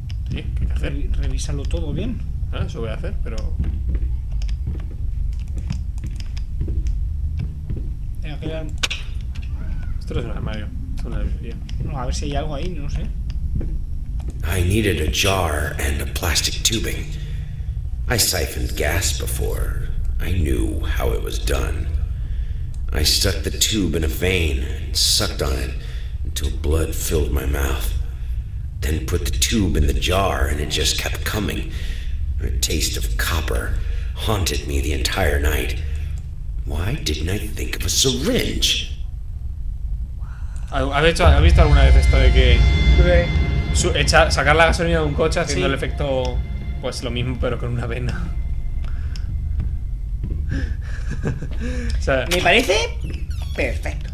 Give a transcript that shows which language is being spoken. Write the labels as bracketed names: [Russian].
[Spanish] Sí, ¿qué hay que hacer? Revísalo todo bien. Ah, eso voy a hacer, pero... Venga, queda... Esto no es un armario. Es una librería. No, a ver si hay algo ahí, no sé. [English] I needed a jar and a plastic tubing. I siphoned gas before. I knew how it was done. I stuck the tube in a vein and sucked on it. Until blood filled my mouth. Then put the tube in the jar and it just kept coming. A taste of copper haunted me the entire night. Why didn't I think of a syringe? [Spanish] ¿Has visto alguna vez esto de que sacar la gasolina de un coche haciendo el efecto pues lo mismo pero con una vena? O sea, me parece perfecto.